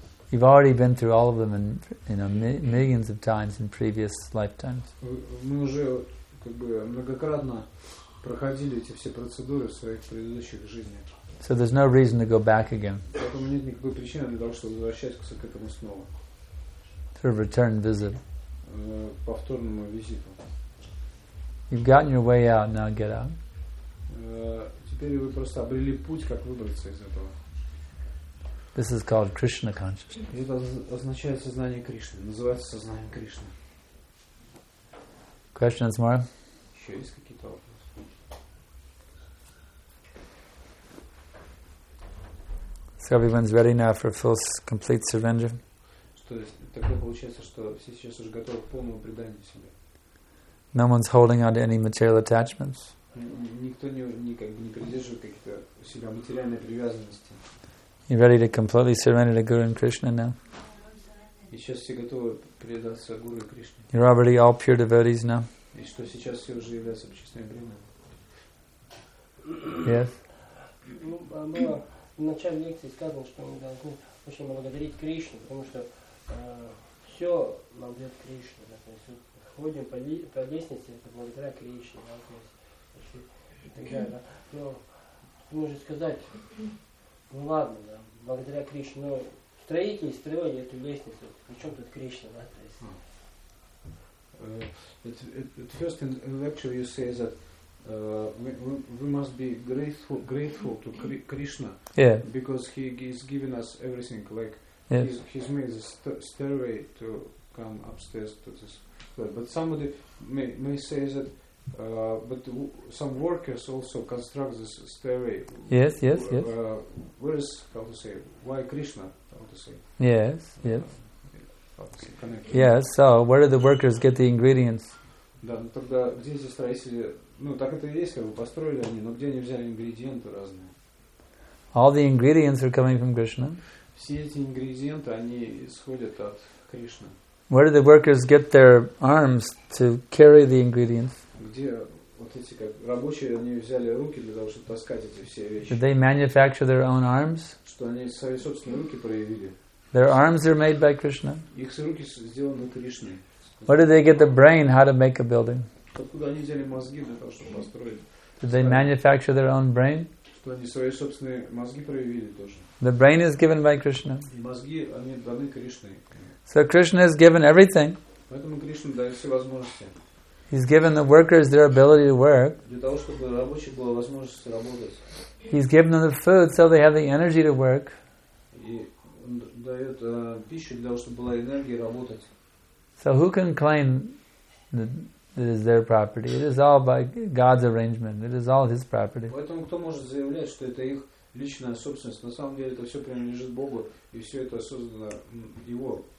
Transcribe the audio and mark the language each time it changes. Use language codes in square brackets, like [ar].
[en] You've already been through all of them in, you know, millions of times in previous lifetimes. [ru] Мы уже как бы многократно проходили эти все процедуры в своих предыдущих жизнях. [en] So there's no reason to go back again. [ru] Поэтому нет никакой причины для того, чтобы возвращаться к этому снова. [en] To a return visit. [ru] Повторному визиту. [en] You've gotten your way out. Now get out. [ru] Теперь вы просто обрели путь, как выбраться из этого. [en] This is called Krishna consciousness. [ru] Это означает сознание Кришны. Называется сознание Кришны. [en] Questions more? [ru] Еще есть какие-то вопросы? [en] So everyone's ready now for full complete surrender? [ru] Что такое получается, что все сейчас уже готовы к полному преданию себе. [en] No one's holding on to any material attachments. [ru] Никто не придерживает каких-то у себя материальной привязанности. [en] You ready to completely surrender to Guru and Krishna now? [ru] И сейчас все готовы предаться Гуру и Кришне. [en] You're already all pure devotees now? [ru] И что сейчас все уже являются чистыми преданными? [en] Yes. [ru] Ну, было в начале лекции сказано, что мы должны очень благодарить Кришну, потому что все нам дает Кришна. Да? То есть вот, ходим по лестнице, это благодаря Кришне. Да? Но можно сказать, ну ладно, да, благодаря Кришне, но строители строили эту лестницу, причем тут Кришна, да, то есть. [en] At first in lecture you say that we must be grateful to Krishna, yeah, because he has given us everything, like he's made the stairway to come upstairs to this. But somebody may say that. But some workers also construct this stairway. Yes, yes, yes. Where is, how to say, why Krishna, how to say? Yes, yes. Connected. Yes, so where do the workers get the ingredients? [ru] Да, ну тогда где эти строители, ну так это и есть, как бы построили они, но где они взяли ингредиенты разные? [en] All the ingredients are coming from Krishna. [ru] Все эти ингредиенты, они исходят от Кришны. [en] Where do the workers get their arms to carry the ingredients? [ru] Где вот эти как рабочие, они взяли руки для того, чтобы таскать эти все вещи? [en] Did they manufacture their own arms? [ru] Что они свои собственные руки проявили? [en] Their arms are made by Krishna. [ru] Их руки сделаны Кришной. [en] Where did they get the brain how to make a building? [ru] Откуда они взяли мозги для того, чтобы построить? [en] Did they manufacture their own brain? [ru] Что они свои собственные мозги проявили тоже? [en] The brain is given by Krishna. [ru] Мозги они даны Кришной. [en] So Krishna has given everything. [ru] Поэтому Кришна дает все возможности. [en] He's given the workers their ability to work. [ru] Для того, чтобы рабочих было возможность работать. [en] He's given them the food so they have the energy to work. [ru] И он дает пищу для того, чтобы была энергия работать. [en] So who can claim the that is their property. It is all by God's arrangement. It is all His property. [ru] Поэтому кто может заявлять, что это их личная собственность? На самом деле это все принадлежит Богу, и все это создано Его.